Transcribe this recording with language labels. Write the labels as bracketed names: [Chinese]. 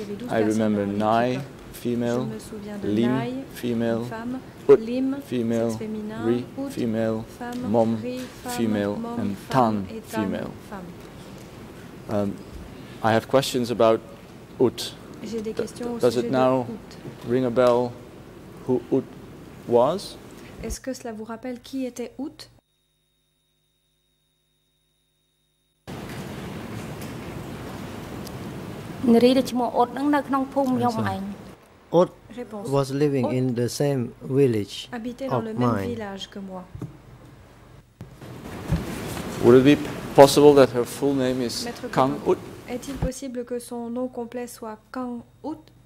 [English] I remember Nai, female, Lim, female, Ut, female, Ri, female, Mom, female, and Tan, female. I have questions about Ut. Does it now ring a bell who Ut was? [French] Est-ce que cela vous rappelle qui était Ut? [English] Ut was living in the same village of mine. Would it be possible that her full name is Kang Ut? [French] Est-il possible que son nom complet soit Kang Ut?